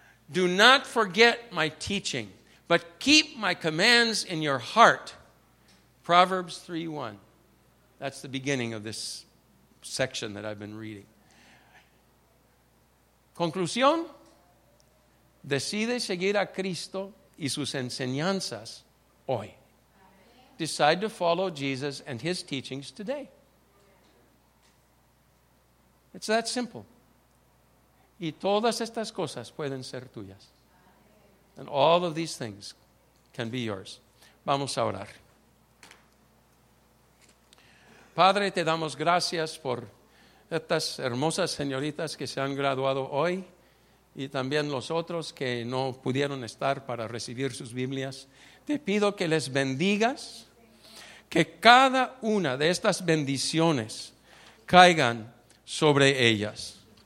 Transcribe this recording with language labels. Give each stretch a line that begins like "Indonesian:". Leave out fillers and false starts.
English: Do not forget my teaching, but keep my commands in your heart. Proverbs 3:1. That's the beginning of this section that I've been reading.
Spanish: Conclusión. Decide seguir a Cristo y sus enseñanzas hoy.
English: Decide to follow Jesus and his teachings today. It's that simple.
Spanish: Y todas estas cosas pueden ser tuyas.
English: And all of these things can be yours.
Spanish: Vamos a orar. Padre, te damos gracias por estas hermosas señoritas que se han graduado hoy y también los otros que no pudieron estar para recibir sus Biblias. Te pido que les bendigas, que cada una de estas bendiciones caigan sobre ellas.